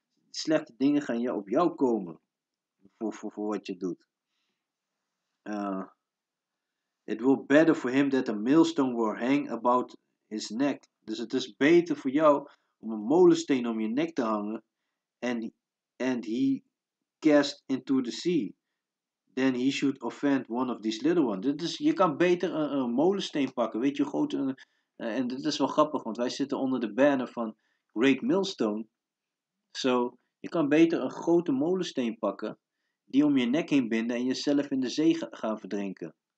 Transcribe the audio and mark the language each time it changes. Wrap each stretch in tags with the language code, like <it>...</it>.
<nl>Slechte dingen gaan op jou komen. Voor wat je doet.</nl> <en>It will better for him that a millstone will hang about his neck.</en> <nl>Dus het is beter voor jou om een molensteen om je nek te hangen.</nl> <en>And he cast into the sea. Then he should offend one of these little ones.</en> <nl>Dit is, je kan beter een molensteen pakken. Weet je, groot. En dit is wel grappig, want wij zitten onder de banner van Great Millstone. So, je kan beter een grote molensteen pakken. Die om je nek heen binden en jezelf in de zee gaan verdrinken.</nl>